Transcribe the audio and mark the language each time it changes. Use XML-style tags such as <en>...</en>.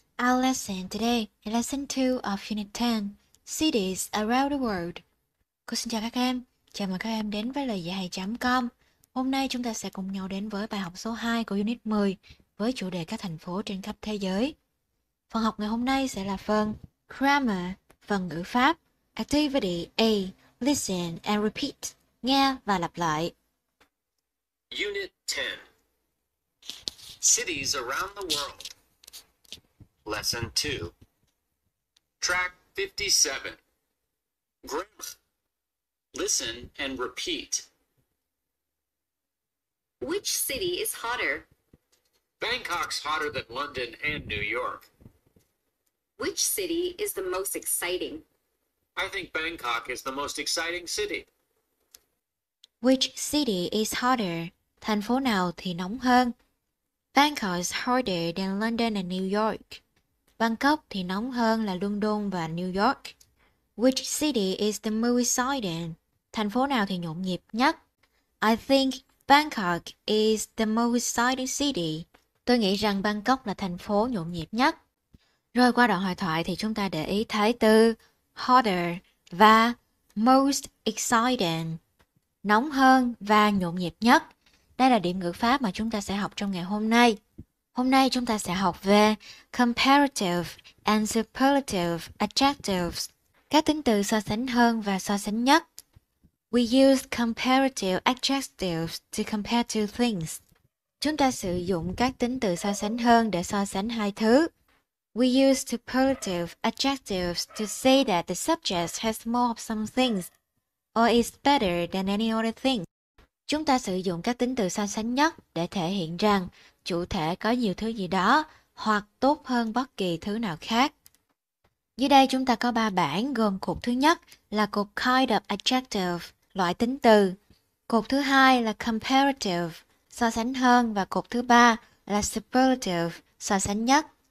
<en>Our lesson today is lesson 2 of unit 10, Cities Around the World.</en> <vi>Cô xin chào các em, chào mừng các em đến với Loigiaihay.com. Hôm nay chúng ta sẽ cùng nhau đến với bài học số 2 của unit 10 với chủ đề các thành phố trên khắp thế giới. Phần học ngày hôm nay sẽ là phần Grammar, phần ngữ pháp.</vi> <en>Activity A, Listen and Repeat,</en> <vi>nghe và lặp lại.</vi> <en>Unit 10, Cities Around the World. Lesson 2. Track 57. Grammar. Listen and repeat. Which city is hotter? Bangkok's hotter than London and New York. Which city is the most exciting? I think Bangkok is the most exciting city. Which city is hotter?</en> <vi>Thành phố nào thì nóng hơn?</vi> <en>Bangkok is hotter than London and New York.</en> <vi>Bangkok thì nóng hơn là London và New York.</vi> <en>Which city is the most exciting?</en> <vi>Thành phố nào thì nhộn nhịp nhất?</vi> <en>I think Bangkok is the most exciting city.</en> <vi>Tôi nghĩ rằng Bangkok là thành phố nhộn nhịp nhất. Rồi qua đoạn hội thoại thì chúng ta để ý thấy từ hotter và most exciting. Nóng hơn và nhộn nhịp nhất. Đây là điểm ngữ pháp mà chúng ta sẽ học trong ngày hôm nay. Hôm nay chúng ta sẽ học về comparative and superlative adjectives, các tính từ so sánh hơn và so sánh nhất.</vi> <en>We use comparative adjectives to compare two things.</en> <vi>Chúng ta sử dụng các tính từ so sánh hơn để so sánh hai thứ.</vi> <en>We use superlative adjectives to say that the subject has more of some things or is better than any other thing.</en> <vi>Chúng ta sử dụng các tính từ so sánh nhất để thể hiện rằng chủ thể có nhiều thứ gì đó hoặc tốt hơn bất kỳ thứ nào khác. Dưới đây chúng ta có ba bảng gồm cột thứ nhất là cột kind of adjective, loại tính từ. Cột thứ hai là comparative, so sánh hơn và cột thứ ba là superlative, so sánh nhất.</vi>